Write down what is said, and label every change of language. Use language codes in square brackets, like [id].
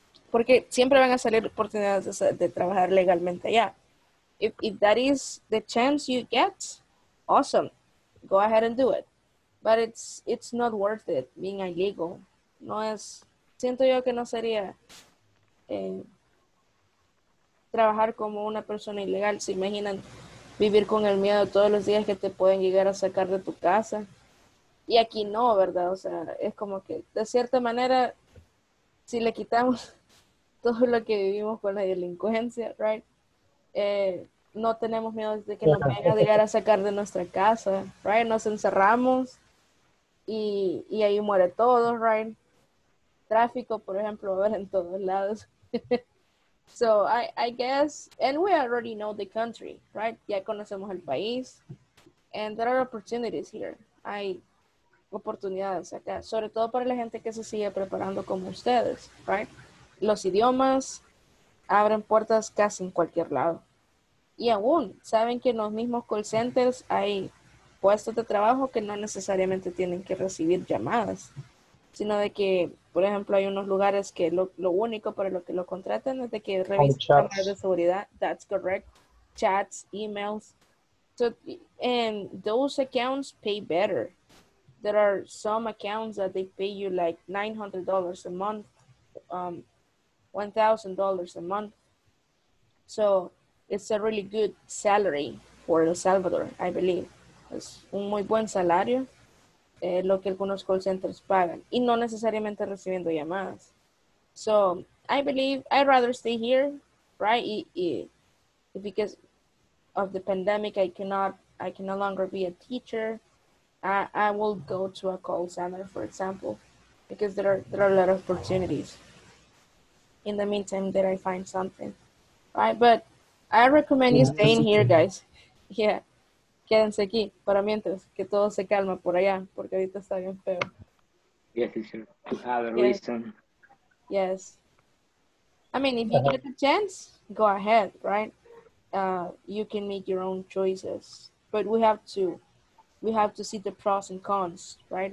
[es] Porque siempre van a salir oportunidades de trabajar legalmente allá. [en] If that is the chance you get, awesome. Go ahead and do it. But it's not worth it being illegal. [es] No es, siento yo que no sería trabajar como una persona ilegal. ¿Se imaginan vivir con el miedo todos los días que te pueden llegar a sacar de tu casa? Y aquí no, ¿verdad? O sea, es como que de cierta manera, si le quitamos todo lo que vivimos con la delincuencia, right? No tenemos miedo de que nos vayan a llegar a sacar de nuestra casa, right? Nos encerramos. Y ahí muere todo, right? Tráfico, por ejemplo, va a haber en todos lados. [en] So, I guess, and we already know the country, right? [es] Ya conocemos el país. [en] And there are opportunities here. [es] Hay oportunidades acá. Sobre todo para la gente que se sigue preparando como ustedes, right? Los idiomas abren puertas casi en cualquier lado. Y aún, saben que en los mismos call centers hay puestos de trabajo que no necesariamente tienen que recibir llamadas, sino de que, por ejemplo, hay unos lugares que lo único para lo que lo contratan es de que revisen cámaras de seguridad. [en] That's correct. Chats, emails. So, and those accounts pay better. There are some accounts that they pay you like $900 a month, $1,000 a month. So it's a really good salary for El Salvador, I believe. [es] Es un muy buen salario lo que algunos call centers pagan y no necesariamente recibiendo llamadas. [en] So, I believe I'd rather stay here, right? Because of the pandemic, I cannot I can no longer be a teacher, I will go to a call center, for example, because there are a lot of opportunities in the meantime that I find something, right? But I recommend you staying here, guys. Yeah. [es] Quédense aquí para mientras que todo se calma por allá, porque ahorita está bien feo. [en] Yes, you have a reason. Yes. I mean, if you get the chance, go ahead, right? You can make your own choices. But we have to see the pros and cons, right?